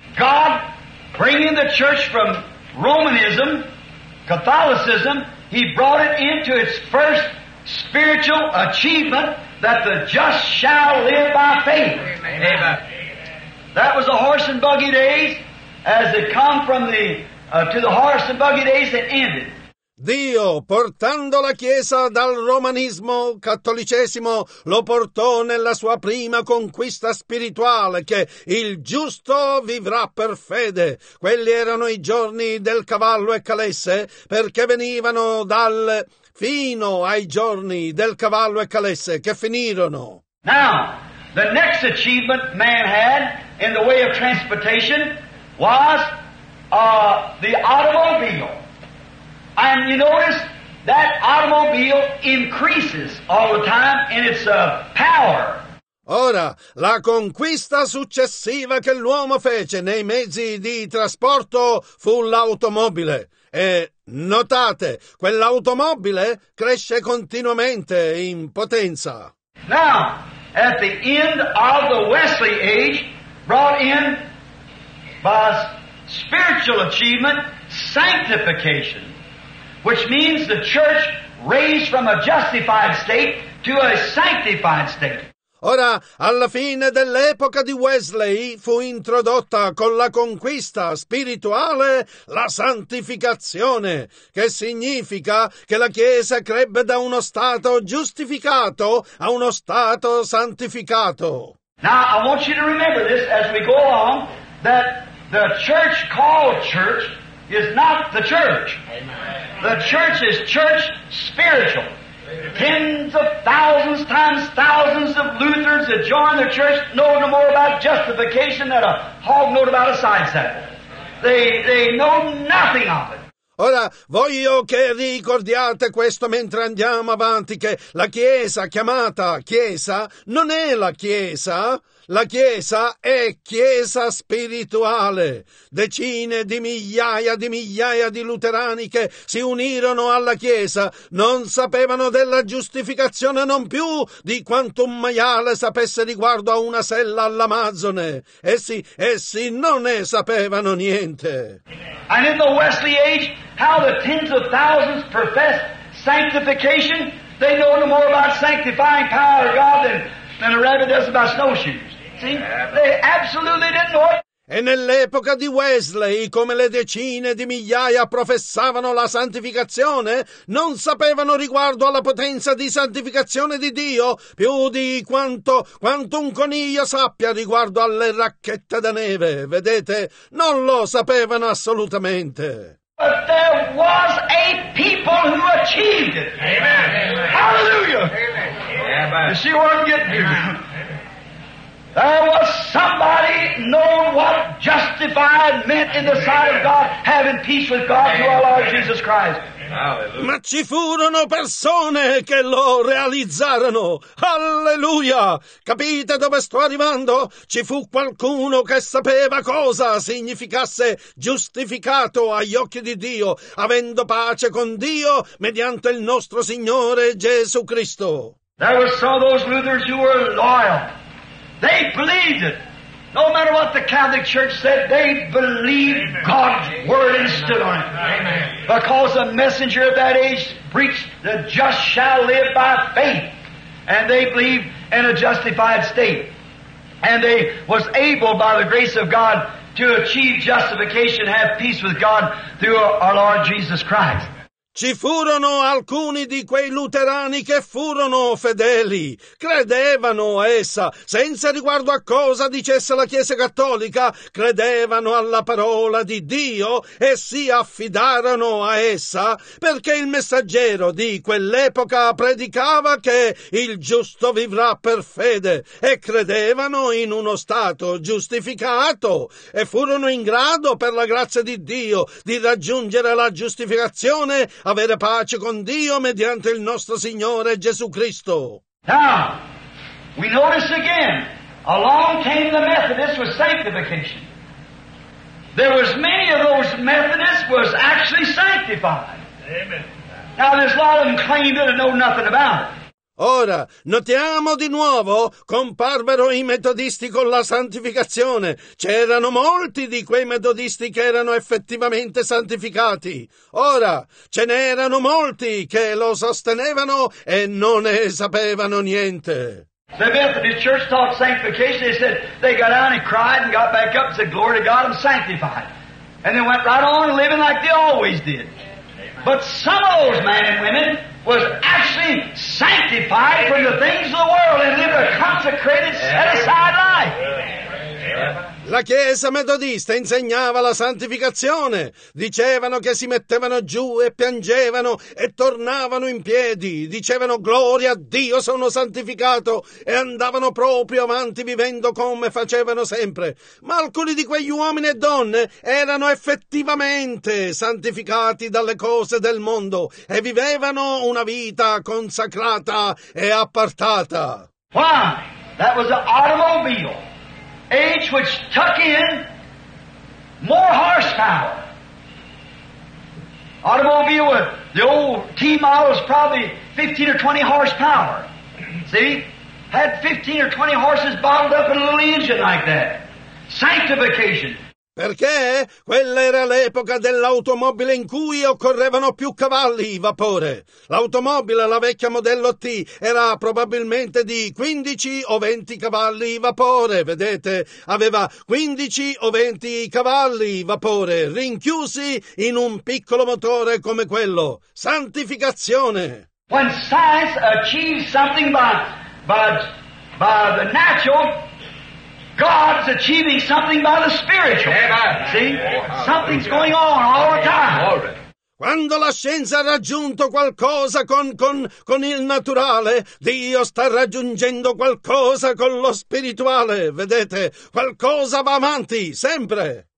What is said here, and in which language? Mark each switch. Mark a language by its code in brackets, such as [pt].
[en] God bringing the church from Romanism, Catholicism, he brought it into its first spiritual achievement that the just shall live by faith. Amen. Amen. That was the horse and buggy days, as it come from the to the horse and buggy days that ended. [it] Dio, portando la Chiesa dal romanismo cattolicesimo, lo portò nella sua prima conquista spirituale, che il giusto vivrà per fede. Quelli erano i giorni del cavallo e calesse, perché venivano dal fino ai giorni del cavallo e calesse, che finirono. [en] Now, the next achievement man had in the way of transportation was the automobile. And you notice that automobile increases all the time in its power. [it] Ora, la conquista successiva che l'uomo fece nei mezzi di trasporto fu l'automobile. E notate, quell'automobile cresce continuamente in potenza. [en] Now, at the end of the Wesley age, brought in by spiritual achievement, sanctification. Which means the church raised from a justified state to a sanctified state. [it] Ora, alla fine dell'epoca di Wesley fu introdotta con la conquista spirituale la santificazione, che significa che la Chiesa crebbe da uno stato giustificato a uno stato santificato. [en] Now, I want you to remember this as we go along, that the church called church is not the church. Amen. The church is church spiritual. Amen. Tens of thousands times thousands of Lutherans that join the church know no more about justification than a hog knows about a science set. They know nothing of it. [it] Ora, voglio che ricordiate questo mentre andiamo avanti, che la Chiesa, chiamata Chiesa, non è la Chiesa. La Chiesa è Chiesa spirituale. Decine di migliaia di luterani che si unirono alla Chiesa non sapevano della giustificazione non più di quanto un maiale sapesse riguardo a una sella all'Amazzone. Essi, essi non ne sapevano niente. [en] And in the Wesley age, how the tens of thousands professed sanctification, they know no more about sanctifying power of God than a rabbit does about snowshoes. They absolutely didn't know it. [it] E nell'epoca di Wesley, come le decine di migliaia professavano la santificazione, non sapevano riguardo alla potenza di santificazione di Dio più di quanto un coniglio sappia riguardo alle racchette da neve. Vedete, non lo sapevano assolutamente. [en] But there was a people who achieved it. Amen. Hallelujah. Amen. Yeah, she wasn't getting it. There was somebody knowing what justified meant in the sight of God, having peace with God through our Lord Jesus Christ. [it] Ma ci furono persone che lo realizzarono. Alleluia! Capite dove sto arrivando? Ci fu qualcuno che sapeva cosa significasse giustificato agli occhi di Dio, avendo pace con Dio mediante il nostro Signore Gesù Cristo. [en] There were some of those Luthers who were loyal. They believed it. No matter what the Catholic Church said, they believed God's word and stood on it. Because a messenger of that age preached, the just shall live by faith. And they believed in a justified state. And they was able, by the grace of God, to achieve justification, have peace with God through our Lord Jesus Christ. [it] Ci furono alcuni di quei luterani che furono fedeli, credevano a essa, senza riguardo a cosa dicesse la Chiesa Cattolica, credevano alla parola di Dio e si affidarono a essa, perché il messaggero di quell'epoca predicava che il giusto vivrà per fede, e credevano in uno stato giustificato, e furono in grado, per la grazia di Dio, di raggiungere la giustificazione, avere pace con Dio mediante il nostro Signore Gesù Cristo. [en] Now, we notice again, along came the Methodists with sanctification. There was many of those Methodists was actually sanctified. Amen. Now, there's a lot of them claimed it and know nothing about it. [it] Ora, notiamo di nuovo, comparvero i metodisti con la santificazione. C'erano molti di quei metodisti che erano effettivamente santificati. Ora, ce n'erano molti che lo sostenevano e non ne sapevano niente. [en] The Methodist Church taught sanctification. They said they got out and cried and got back up and said, glory to God, I'm sanctified. And they went right on living like they always did. But some of those men and women was actually sanctified from the things of the world and lived a consecrated, set aside life. [it] La Chiesa metodista insegnava la santificazione. Dicevano che si mettevano giù e piangevano e tornavano in piedi. Dicevano, gloria a Dio, sono santificato, e andavano proprio avanti vivendo come facevano sempre. Ma alcuni di quegli uomini e donne erano effettivamente santificati dalle cose del mondo e vivevano una vita consacrata e appartata. [en] Why? That was an automobile. Age which took in more horsepower. Automobile with the old T model was probably 15 or 20 horsepower. See? Had 15 or 20 horses bottled up in a little engine like that. Sanctification. [it] Perché quella era l'epoca dell'automobile in cui occorrevano più cavalli vapore. L'automobile, la vecchia modello T, era probabilmente di 15 o 20 cavalli vapore, vedete? Aveva 15 o 20 cavalli vapore rinchiusi in un piccolo motore come quello. Santificazione! [en] When science achieves something by the natural, God's achieving something by the spiritual. See? Something's going on all the time. [it] Quando la scienza ha raggiunto qualcosa con il naturale, Dio sta raggiungendo qualcosa con lo spirituale. Vedete? Qualcosa va avanti, sempre.